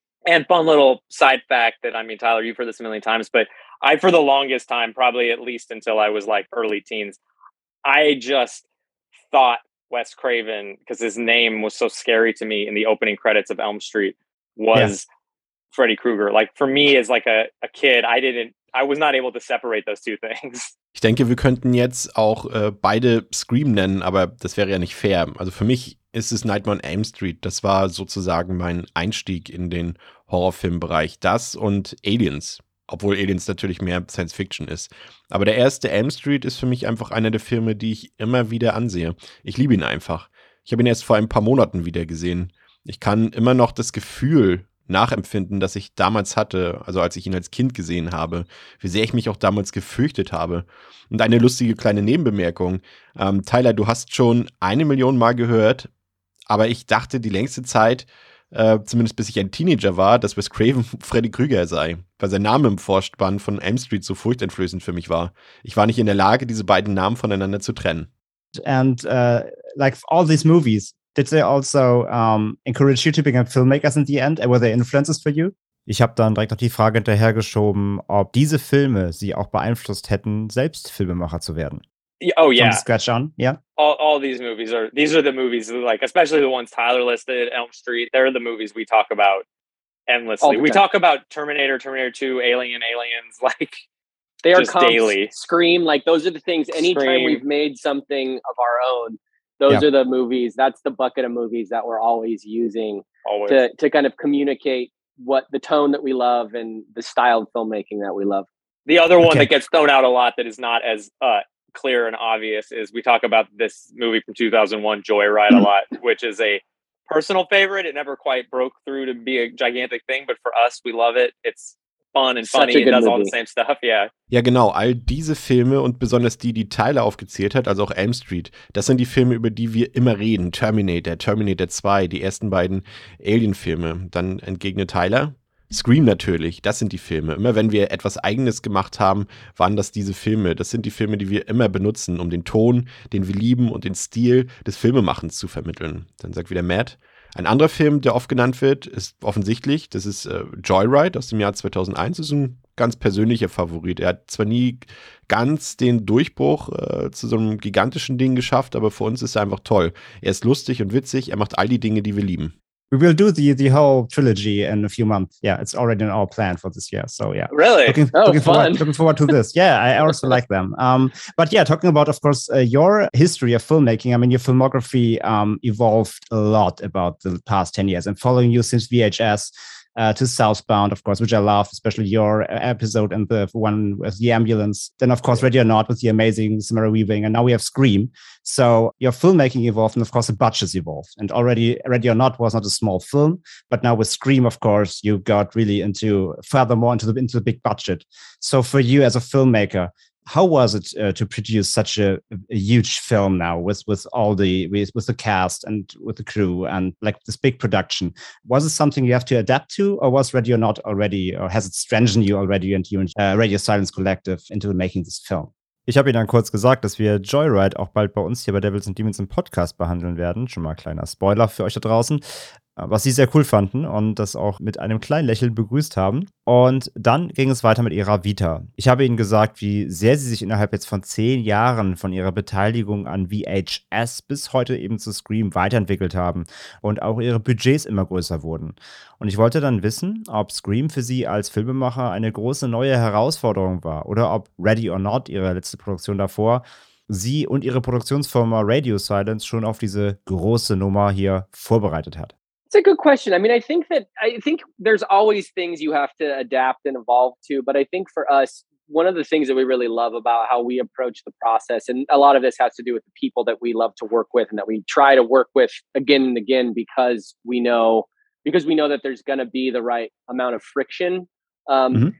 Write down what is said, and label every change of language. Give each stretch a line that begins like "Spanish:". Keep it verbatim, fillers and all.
English: And fun little side fact that, I mean, Tyler, you've heard this a million times, but I, for the longest time, probably at least until I was like early teens, I just thought Wes Craven, because his name was so scary to me in the opening credits of Elm Street, was Yes. Freddy Krueger. Like for me as like a, a kid, I didn't, I was not able to separate those two things.
German: Ich denke, wir könnten jetzt auch äh, beide Scream nennen, aber das wäre ja nicht fair. Also für mich ist es Nightmare on Elm Street. Das war sozusagen mein Einstieg in den Horrorfilmbereich. Das und Aliens. Obwohl Aliens natürlich mehr Science-Fiction ist. Aber der erste Elm Street ist für mich einfach einer der Filme, die ich immer wieder ansehe. Ich liebe ihn einfach. Ich habe ihn erst vor ein paar Monaten wieder gesehen. Ich kann immer noch das Gefühl nachempfinden, das ich damals hatte, also als ich ihn als Kind gesehen habe, wie sehr ich mich auch damals gefürchtet habe. Und eine lustige kleine Nebenbemerkung. Ähm, Tyler, du hast schon eine Million Mal gehört, aber ich dachte die längste Zeit, Äh, zumindest bis ich ein Teenager war, dass Wes Craven Freddy Krüger sei, weil sein Name im Vorspann von Elm Street so furchteinflößend für mich war. Ich war nicht in der Lage, diese beiden Namen voneinander zu trennen.
English: And uh, like all these movies, did they also um, encourage you to become filmmakers in the end? Were they influences for you?
German: Ich habe dann direkt noch die Frage hinterhergeschoben, ob diese Filme sie auch beeinflusst hätten, selbst Filmemacher zu werden.
English: Oh yeah, from scratch on, yeah. All, all these movies are these are the movies like, especially the ones Tyler listed, Elm Street. They're the movies we talk about endlessly. We talk about Terminator, Terminator two, Alien, Aliens, like they are just comps, daily. Scream, like those are the things. Anytime Scream. We've made something of our own, those yeah. are the movies. That's the bucket of movies that we're always using always. to to kind of communicate what the tone that we love and the style of filmmaking that we love. The other one okay. that gets thrown out a lot that is not as uh, clear and obvious is we talk about this movie from two thousand one, Joyride, a lot, which is a personal favorite. It never quite broke through to be a gigantic thing, but for us, we love it. It's fun and funny. It does movie. all the same stuff, yeah.
German: Ja, genau. All diese Filme und besonders die, die Tyler aufgezählt hat, also auch Elm Street, das sind die Filme, über die wir immer reden. Terminator, Terminator zwei, die ersten beiden Alien-Filme. Dann entgegnet Tyler. Scream natürlich, das sind die Filme. Immer wenn wir etwas Eigenes gemacht haben, waren das diese Filme. Das sind die Filme, die wir immer benutzen, um den Ton, den wir lieben und den Stil des Filmemachens zu vermitteln. Dann sagt wieder Matt. Ein anderer Film, der oft genannt wird, ist offensichtlich, das ist äh, Joyride aus dem Jahr zweitausendeins. Das ist ein ganz persönlicher Favorit. Er hat zwar nie ganz den Durchbruch äh, zu so einem gigantischen Ding geschafft, aber für uns ist er einfach toll. Er ist lustig und witzig, er macht all die Dinge, die wir lieben.
English: We will do the the whole trilogy in a few months. Yeah, it's already in our plan for this year. So yeah, really looking, oh, looking fun. forward looking forward to this. Yeah, I also like them. Um, but yeah, talking about, of course, uh, your history of filmmaking. I mean, your filmography um, evolved a lot about the past ten years. And following you since V H S uh, to Southbound, of course, which I love, especially your episode and the one with the ambulance. Then, of course, Radio Nord with the amazing Samara Weaving, and now we have Scream. So your filmmaking evolved, and of course the budgets evolved. And already Radio Nord was not a small film, but now with Scream, of course, you got really into furthermore into the into the big budget. So for you as a filmmaker, how was it uh, to produce such a, a huge film now with with all the with, with the cast and with the crew and like this big production? Was it something you have to adapt to, or was Radio Nord already, or has it strengthened you already and you and uh, Radio Silence Collective into making this film?
German: Ich habe Ihnen dann kurz gesagt, dass wir Joyride auch bald bei uns hier bei Devils and Demons im Podcast behandeln werden. Schon mal ein kleiner Spoiler für euch da draußen. Was sie sehr cool fanden und das auch mit einem kleinen Lächeln begrüßt haben. Und dann ging es weiter mit ihrer Vita. Ich habe ihnen gesagt, wie sehr sie sich innerhalb jetzt von zehn Jahren von ihrer Beteiligung an V H S bis heute eben zu Scream weiterentwickelt haben und auch ihre Budgets immer größer wurden. Und ich wollte dann wissen, ob Scream für sie als Filmemacher eine große neue Herausforderung war oder ob Ready or Not, ihre letzte Produktion davor, sie und ihre Produktionsfirma Radio Silence schon auf diese große Nummer hier vorbereitet hat.
English: It's a good question. I mean, I think that I think there's always things you have to adapt and evolve to. But I think for us, one of the things that we really love about how we approach the process, and a lot of this has to do with the people that we love to work with and that we try to work with again and again, because we know because we know that there's going to be the right amount of friction, um, mm-hmm.